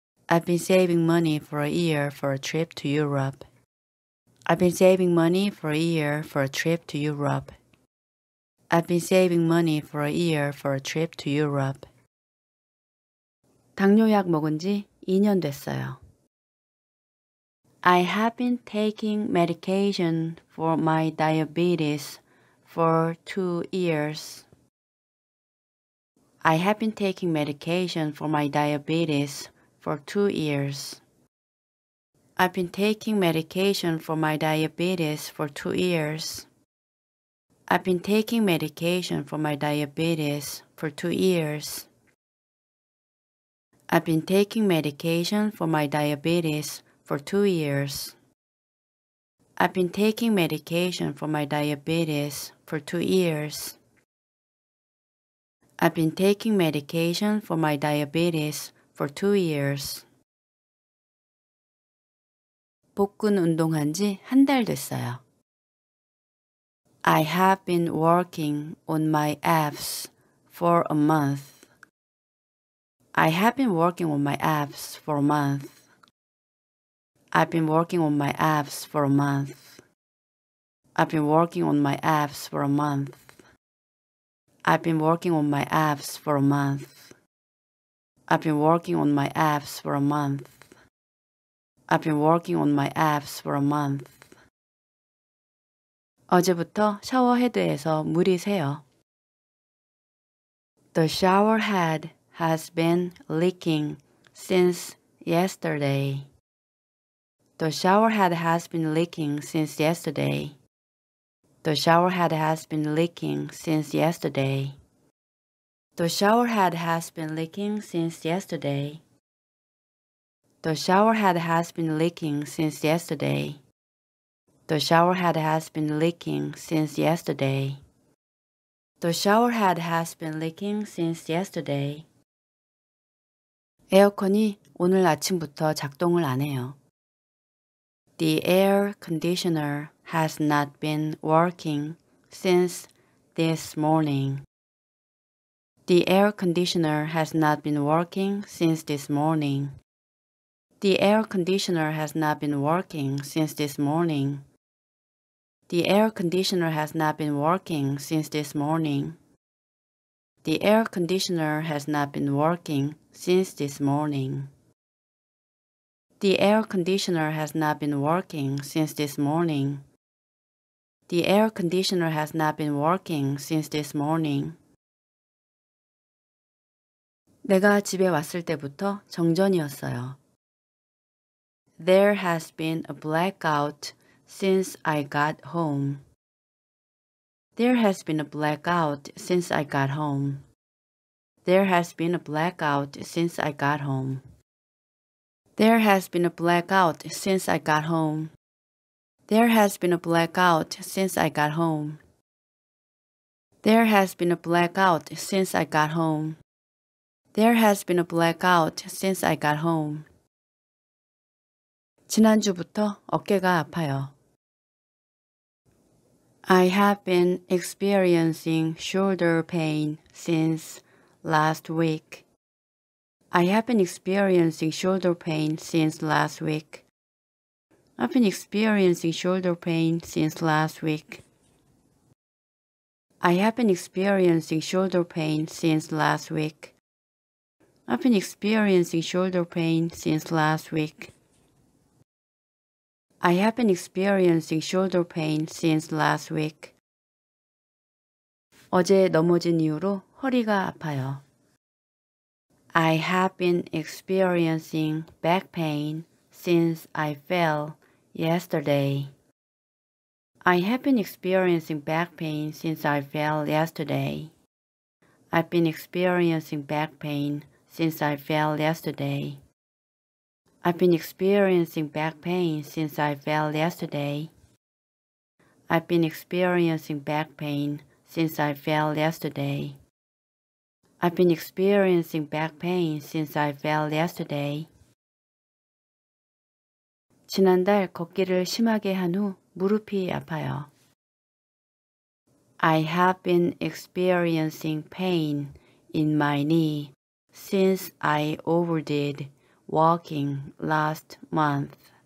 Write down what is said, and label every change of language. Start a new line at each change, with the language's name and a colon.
English: I've been saving money for a year for a trip to Europe. I've been saving money for a year for a trip to Europe. I've been saving money for a year for a trip to Europe.
Korean: 당뇨약 먹은 지 2년 됐어요.
English: I have been taking medication for my diabetes for 2 years. I have been taking medication for my diabetes for 2 years. I've been taking medication for my diabetes for 2 years. I've been taking medication for my diabetes for 2 years. I've been taking medication for my diabetes for 2 years. I've been taking medication for my diabetes for 2 years. I've been taking medication for my diabetes for 2 years.
Korean: 복근 운동한 지 한 달 됐어요.
English: I have been working on my abs for a month. I have been working on my abs for a month. I've been working on my abs for a month. I've been working on my abs for a month. I've been working on my abs for a month. I've been working on my abs for a month. I've been working on my abs for a month.
Korean: 어제부터 샤워헤드에서 물이 새요.
English: The shower head has been leaking since yesterday. The shower head has been leaking since yesterday. The shower head has been leaking since yesterday. The shower head has been leaking since yesterday. The shower head has been leaking since yesterday. The shower head has been leaking since yesterday. The shower head has been leaking since yesterday.
Korean: 에어컨이 오늘 아침부터 작동을 안 해요.
English: The air conditioner has not been working since this morning. The air conditioner has not been working since this morning. The air conditioner has not been working since this morning. The air conditioner has not been working since this morning. The air conditioner has not been working since this morning. The air conditioner has not been working since this morning. The air conditioner has not been working since this morning.
Korean: 내가 집에 왔을 때부터 정전이었어요.
English: There has been a blackout since I got home. There has been a blackout since I got home. There has been a blackout since I got home. There has been a blackout since I got home. There has been a blackout since I got home. There has been a blackout since I got home. There has been a blackout since I got home.
Korean: 지난주부터 어깨가 아파요.
English: I have been experiencing shoulder pain since last week. I have been experiencing shoulder pain since last week. I've been experiencing shoulder pain since last week. I have been experiencing shoulder pain since last week. I've been experiencing shoulder pain since last week. I have been experiencing shoulder pain since last week.
Korean: 어제 넘어진 이후로 허리가 아파요.
English: I have been experiencing back pain since I fell yesterday. I have been experiencing back pain since I fell yesterday. I've been experiencing back pain since I fell yesterday. I've been experiencing back pain since I fell yesterday. I've been experiencing back pain since I fell yesterday. I've been experiencing back pain since I fell yesterday.
Korean: 지난달 걷기를 심하게 한 후 무릎이 아파요.
English: I have been experiencing pain in my knee since I overdid walking last month.